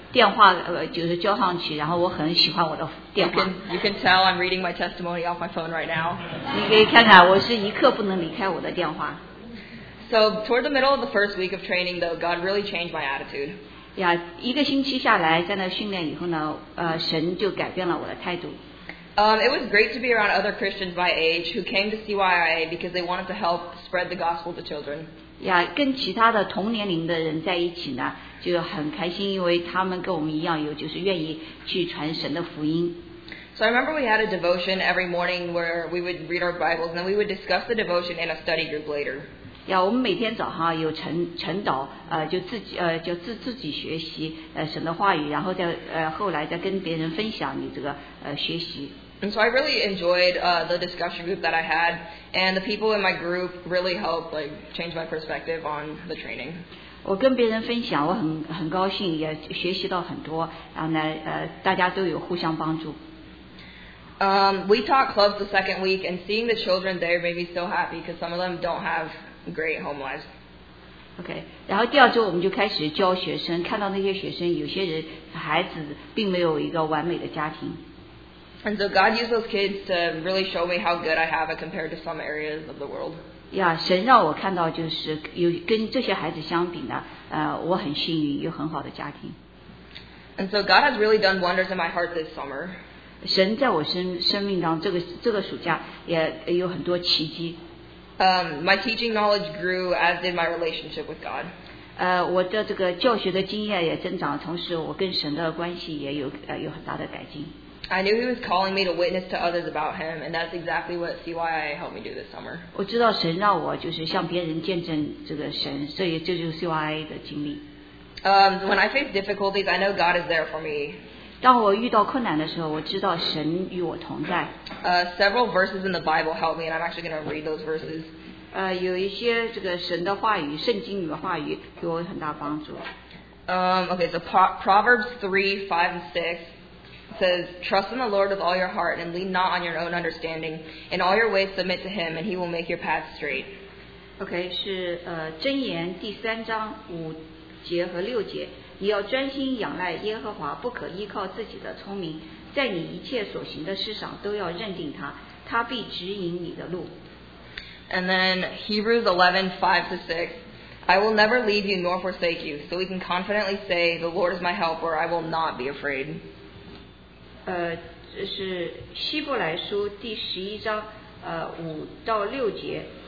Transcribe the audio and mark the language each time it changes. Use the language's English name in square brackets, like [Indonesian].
[English] You can tell I'm reading my testimony off my phone right now. [Chinese] 你可以看看，我是一刻不能离开我的电话。So [English] toward the middle of the first week of training, though, God really changed my attitude. [Chinese] Yeah, 一个星期下来，在那训练以后呢，神就改变了我的态度。 [English] It was great to be around other Christians my age who came to CYIA because they wanted to help spread the gospel to children. [Chinese] 呀，跟其他的同年龄的人在一起呢，就很开心，因为他们跟我们一样，有就是愿意去传神的福音。 [English] So I remember we had a devotion every morning where we would read our Bibles and then we would discuss the devotion in a study group later. [Chinese] Yeah, 我们每天早上有晨祷，就自己学习神的话语，然后再后来再跟别人分享你这个学习。 [English] And so I really enjoyed the discussion group that I had, and the people in my group really helped like change my perspective on the training. [Chinese] 我跟别人分享，我很高兴，也学习到很多，然后呢大家都有互相帮助。 [English] We taught clubs the second week, and seeing the children there made me so happy because some of them don't have great home lives. [Chinese] Okay, 然后第二周我们就开始教学生，看到那些学生，有些人孩子并没有一个完美的家庭。 [English] And so God used those kids to really show me how good I have it compared to some areas of the world. [Chinese] Yeah, 神让我看到就是有跟这些孩子相比呢，我很幸运有很好的家庭。 [English] And so God has really done wonders in my heart this summer. [Chinese] 神在我生命当中这个暑假也有很多奇迹。 [English] My teaching knowledge grew as did my relationship with God. [Chinese] 我的这个教学的经验也增长，同时我跟神的关系也有很大的改进。 [English] I knew he was calling me to witness to others about him, and that's exactly what CYI helped me do this summer. [Chinese] 我知道神让我就是向别人见证这个神，所以这就是 CYI 的经历。 [English] When I face difficulties, I know God is there for me. [Chinese] 当我遇到困难的时候，我知道神与我同在。 [English] Several verses in the Bible help me, and I'm actually going to read those verses. [Chinese] 有一些这个神的话语，圣经里的话语给我很大帮助。 [English] Okay, so Proverbs 3:5-6 says, "Trust in the Lord with all your heart, and lean not on your own understanding. In all your ways submit to Him, and He will make your path straight." [Chinese] Okay, 是箴言第三章五节和六节。你要专心仰赖耶和华，不可依靠自己的聪明，在你一切所行的事上都要认定他，他必指引你的路。 [English] And then Hebrews 11:5-6, I will never leave you nor forsake you, so we can confidently say, the Lord is my helper, I will not be afraid. [Chinese] 这是希伯来书第十一章五到六节。